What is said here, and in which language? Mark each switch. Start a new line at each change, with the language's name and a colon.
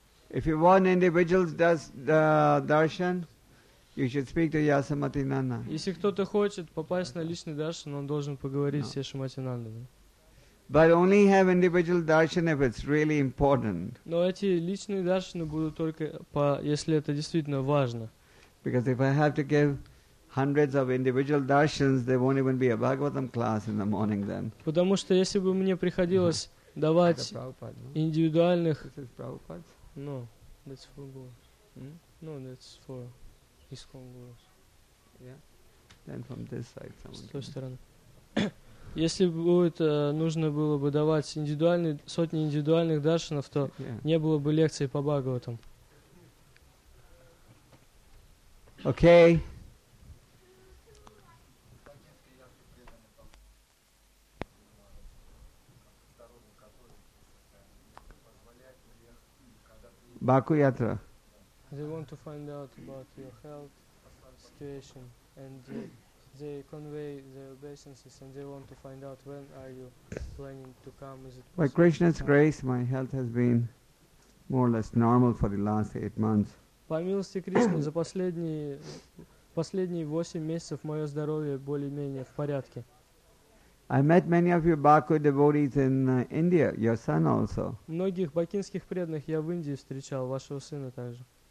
English: If you want individuals darshan, you should speak to Yasamati Nanda.
Russian: Если кто-то хочет попасть на личный даршан, он должен поговорить с Яшамати Нандой.
English: But only have individual darshan if it's really important.
Russian: Но эти личные даршаны будут только по, если это действительно важно.
English: Because if I have to give hundreds of individual darshans, there won't even be a Bhagavatam class in the morning then.
Russian: Потому что если бы мне приходилось давать индивидуальных,
English: No, that's for his congress. Yeah. Then from this side, someone.
Russian: С той стороны. Если будет нужно было бы давать индивидуальные сотни индивидуальных даршанов, то не было бы лекции по Бхагаватам. Okay. Баку ятра.
English: They want to find out about your health situation and they convey their obeisances and they want to find out when are you planning to come. Is it by Krishna's grace, my health has been more or less normal for the last 8 months.
Russian: По милости Кришны, за последние 8 месяцев мое здоровье более-менее в порядке.
English: I met many of you Baku devotees in India, your son also.
Russian: Многих бакинских преданных я в Индии встречал, вашего сына также.